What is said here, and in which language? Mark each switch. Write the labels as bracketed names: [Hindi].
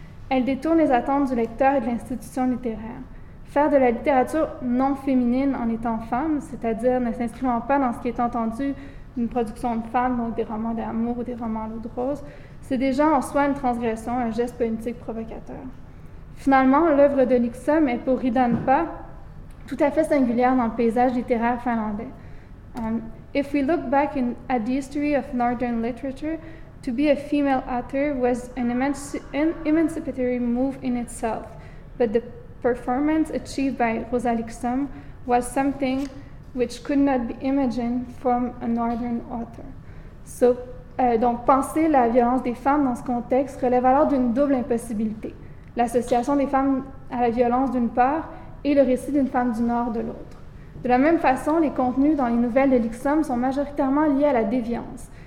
[French] Elle détourne les attentes du lecteur et de l'institution littéraire. Faire de la littérature non féminine en étant femme, c'est-à-dire ne s'inscrivant pas dans ce qui est entendu d'une production de femme, donc des romans d'amour ou des romans à l'eau de rose, c'est déjà en soi une transgression, un geste politique provocateur. Finalement, l'œuvre de Lixum est pour Ridanpa tout à fait singulière dans le paysage littéraire finlandais. [English] « If we look back at the history of Northern literature, to be a female author was an emancipatory move in itself, but the performance achieved by Rosalie Xum was something which could not be imagined from a Northern author. So, [French] » Donc, penser la violence des femmes dans ce contexte relève alors d'une double impossibilité. L'association des femmes à la violence d'une part et le récit d'une femme du Nord de l'autre. De la même façon, les contenus dans les nouvelles de Lixum sont majoritairement liés à la déviance.